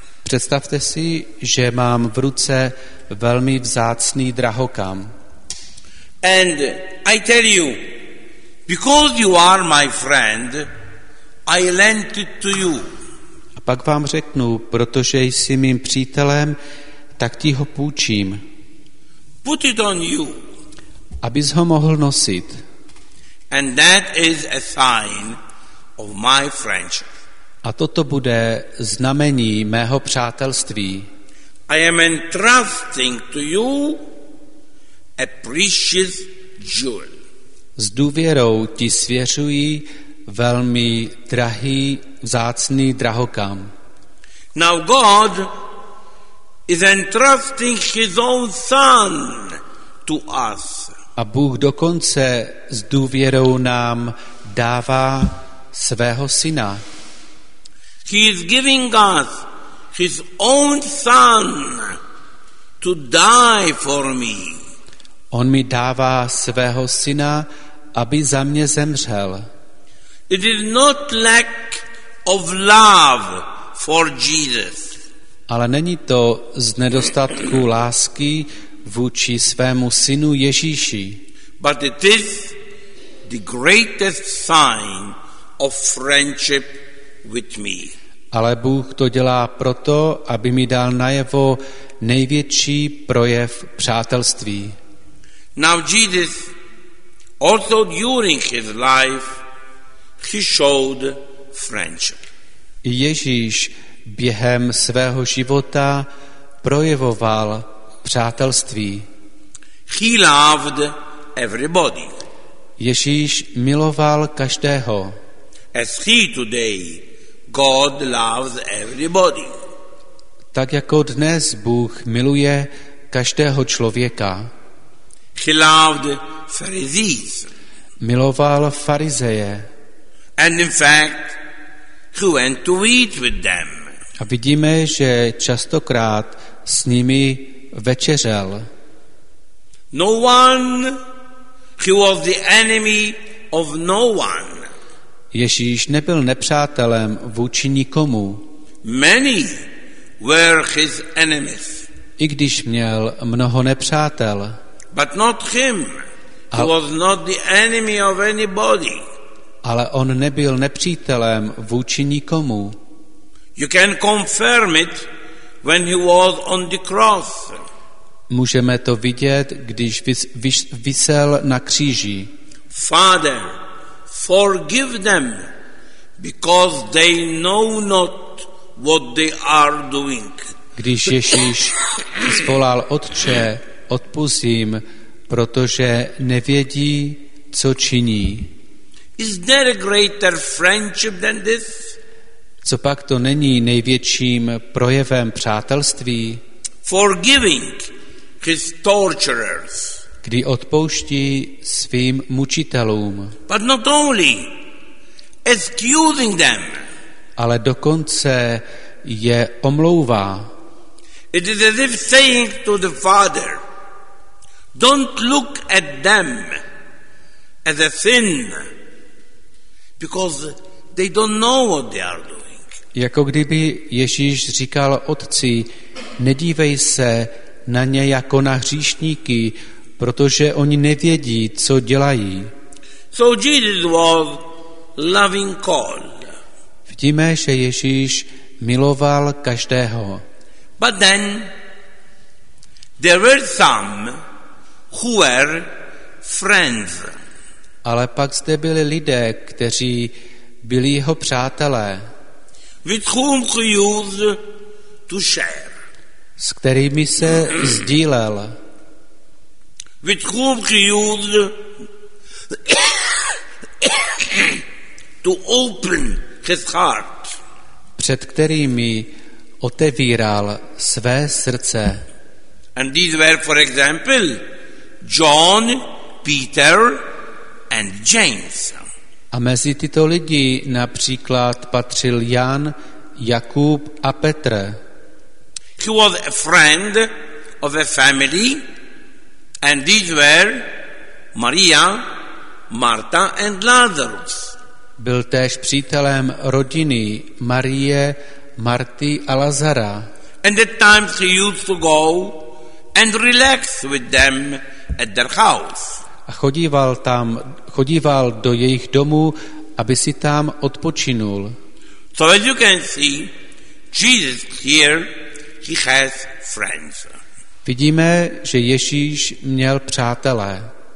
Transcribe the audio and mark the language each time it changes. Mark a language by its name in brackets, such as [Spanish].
[Czech] Představte si, že mám v ruce velmi vzácný drahokam. [English] And I tell you, because you are my friend, I lent it to you. [Czech] A pak vám řeknu, protože jsi mým přítelem, tak ti ho půjčím. [English] Put it on you. [Czech] Abys ho mohl nosit. [English] And that is a sign of my friendship. [Czech] A toto bude znamení mého přátelství. [English] I am entrusting to you a precious jewel. [Czech] S důvěrou ti svěřuji velmi drahý, vzácný drahokam. [English] Now God is entrusting his own son to us. [Czech] A Bůh dokonce s důvěrou nám dává svého syna. [English] He is giving us his own son to die for me. [Czech] On mi dává svého syna, aby za mě zemřel. [English] It is not lack of love for Jesus. [Czech] Ale není to z nedostatku lásky vůči svému synu Ježíši. [English] But it is the greatest sign of friendship with me. [Czech] Ale Bůh to dělá proto, aby mi dal najevo největší projev přátelství. [English] Now Jesus also during his life he showed friendship. [Czech] Ježíš během svého života projevoval přátelství. [English] He loved everybody. [Czech] Ježíš miloval každého. [English] As he today, God loves everybody. [Czech] Tak jako dnes Bůh miluje každého člověka. [English] He loved Pharisees. [Czech] Miloval farizeje. [English] And in fact, he went to eat with them. [Czech] A vidíme, že častokrát s nimi večeřel. [English] No one, he was the enemy of no one. [Czech] Ježíš nebyl nepřátelem vůči nikomu. [English] Many were his enemies. [Czech] I když měl mnoho nepřátel. [English] But not him. He was not the enemy of anybody. [Czech] Ale on nebyl nepřítelem vůči nikomu. [English] You can confirm it when he was on the cross. [Czech] Můžeme to vidět, když visel na kříži. [English] Father, forgive them, because they know not what they are doing. [Czech] Když Ježíš zvolal Otče, odpusť jim, protože nevědí, co činí. [English] Is there a greater friendship than this? [Czech] Co pak to není největším projevem přátelství? [English] Forgiving his torturers. [Czech] Kdy odpouští svým mučitelům. [English] But not only, excusing them. [Czech] Ale dokonce je omlouvá. [English] It is as if saying to the father, don't look at them as a sin, because they don't know what they are doing. [Czech] Jako kdyby Ježíš říkal otci, nedívej se na ně jako na hříšníky, protože oni nevědí, co dělají. [English] So Jesus was loving all. [Czech] Vidíme, že Ježíš miloval každého. [English] But then there were some who were friends. [Czech] Ale pak zde byli lidé, kteří byli jeho přátelé. [English] With whom he used to share. [Czech] S kterými se sdílel. [English] With whom he used to open his heart. [Czech] Před kterými otevíral své srdce. [English] And these were, for example, John, Peter and James. [Czech] A mezi tyto lidi například patřil Jan, Jakub a Petr. [English] He was a friend of a family, and these were Maria, Marta and Lazarus. [Czech] Byl též přítelem rodiny Marie, Marty a Lazara. [English] And at times he used to go and relax with them at their house. [Czech] A chodíval tam, chodíval do jejich domu, aby si tam odpočinul. [English] So as you can see, Jesus here, he has friends. [Czech] Vidíme, že Ježíš měl přátelé.